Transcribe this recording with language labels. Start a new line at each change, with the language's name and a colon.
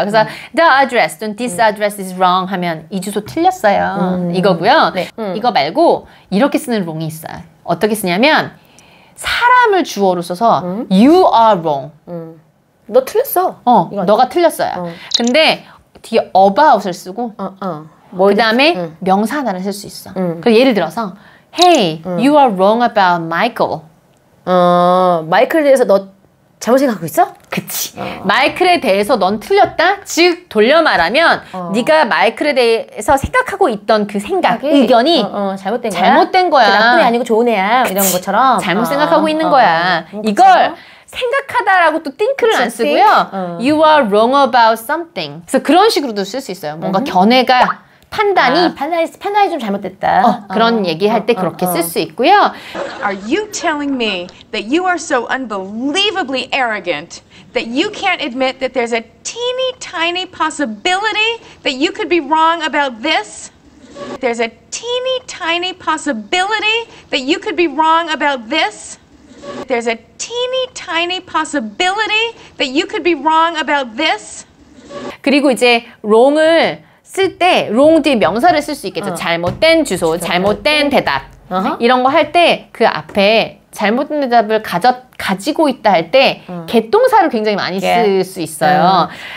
Korean: 그래서
English: the address
Korean: 또는
English: this address is wrong
Korean: 하면 이 주소 틀렸어요. 이거고요. 네. 이거 말고 이렇게 쓰는 롱이 있어요. 어떻게 쓰냐면 사람을 주어로 써서
English: you are wrong.
Korean: 너 틀렸어. 너가 틀렸어요. 근데 뒤에 about을 쓰고 그 다음에 명사 하나를 쓸 수 있어. 그래서 예를 들어서
English: Hey, you are wrong about Michael.
Korean: 마이클에 대해서 너 잘못 생각하고 있어? 그치. 마이클에 대해서 넌 틀렸다? 즉 돌려 말하면 네가 마이클에 대해서 생각하고 있던 그 생각, 의견이 잘못된 거야. 잘못된 거야. 나쁜 애 아니고 좋은 애야. 그치. 이런 것처럼. 잘못 생각하고 있는 거야. 이걸 생각하다라고 또 think를 안 쓰고요.
English: You are wrong about something.
Korean: 그래서 그런 식으로도 쓸 수 있어요. 뭔가 견해가 판단이 판단이 좀 잘못됐다. 그런 얘기할 때 그렇게 쓸 수 있고요.
English: Are you telling me that you are so unbelievably arrogant that you can't admit that there's a teeny tiny possibility that you could be wrong about this? There's a teeny tiny possibility that you could be wrong about this? There's a teeny tiny possibility that you could be wrong about this.
Korean: 그리고 이제 wrong을 쓸 때 wrong 뒤에 명사를 쓸 수 있겠죠. 잘못된 주소, 잘못된 대답 이런 거 할 때 그 앞에 잘못된 대답을 가지고 있다 할 때 get동사를 굉장히 많이 쓸 수 있어요.